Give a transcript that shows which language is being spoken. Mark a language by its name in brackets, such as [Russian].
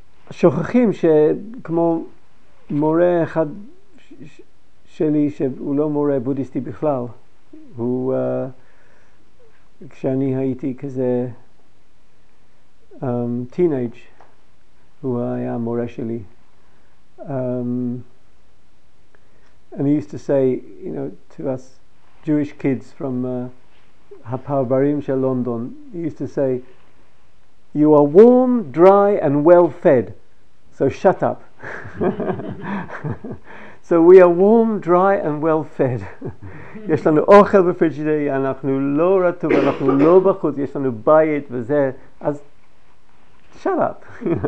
[Hebrew] ושוכחים שכמו מורה אחד שלי, שהוא לא מורה בודיסטי בכלל, כשאני הייתי כזה טינאג' הוא היה המורה שלי. [English] And he used to say, you know, to us Jewish kids from [Hebrew] Hapavarim shel London, [English] he used to say, you are warm, dry, and well fed, so shut up. So we are warm, dry, and well fed. [Hebrew] יש לנו אוכל בפריג'ידר, אנחנו לא רטוב, אנחנו לא בחוץ, יש לנו בית וזה, אז [English] shut up.